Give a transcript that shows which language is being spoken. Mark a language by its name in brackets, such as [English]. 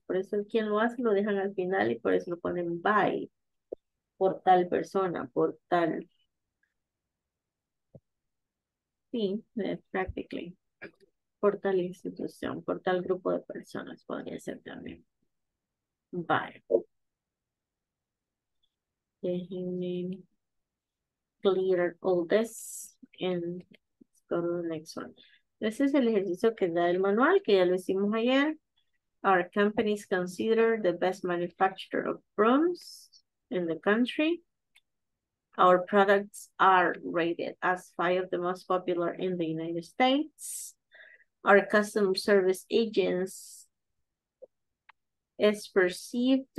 [Spanish] Por eso el quién lo hace lo dejan al final y por eso lo ponen by, por tal persona, por tal. Sí, practically. Por tal institución, por tal grupo de personas podría ser también. [English] By. [Spanish] Déjenme clear all this and let's go to the next one. Ese es el ejercicio que da el manual, que ya lo hicimos ayer. [English] Our company is considered the best manufacturer of brooms in the country. Our products are rated as 5 of the most popular in the United States. Our customer service agents is perceived.